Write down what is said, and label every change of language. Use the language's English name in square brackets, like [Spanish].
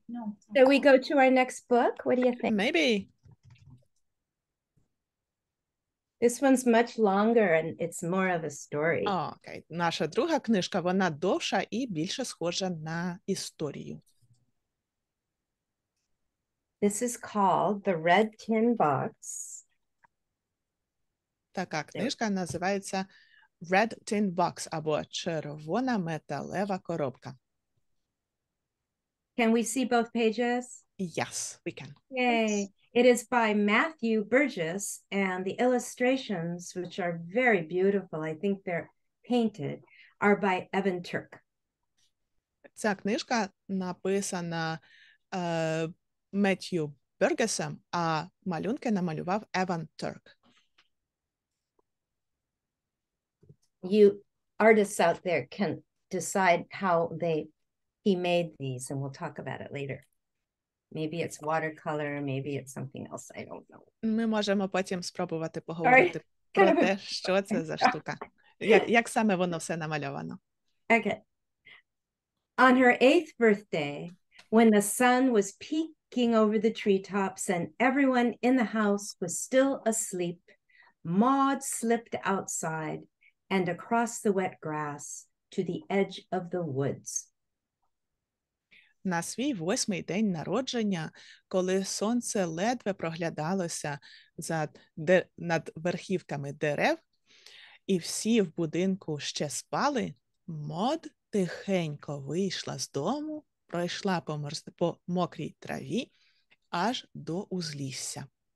[English] No. So we go to our next book. What do you think? Maybe. This one's much longer and it's more of a story. Okay. [Ukrainian] Наша друга книжка, вона довша і більше схожа на історію. [English] This is called The Red Tin Box. [Ukrainian] Така книжка називається Red Tin Box або Червона металева коробка. [English] Can we see both pages? Yes, we can. Yay. It is by Matthew Burgess and the illustrations, which are very beautiful, I think they're painted, are by Evan Turk. [Ukrainian] Ця книжка написана Matthew Burgess'ем, а малюнки намалював Evan Turk. [English] You artists out there can decide how he made these, and we'll talk about it later. Maybe it's watercolor, maybe it's something else, I don't know. [Ukrainian] Ми можемо потім спробувати поговорити про те, що це за штука. Як саме воно все намальовано. [English] Okay. On her eighth birthday, when the sun was peeking over the treetops and everyone in the house was still asleep, Maud slipped outside and across the wet grass to the edge of the woods. [Ukrainian] На свій восьмий день народження, коли сонце ледве проглядалося над верхівками дерев, і всі в будинку ще спали, Мод тихенько вийшла з дому, пройшла по мокрій траві аж до узлісся.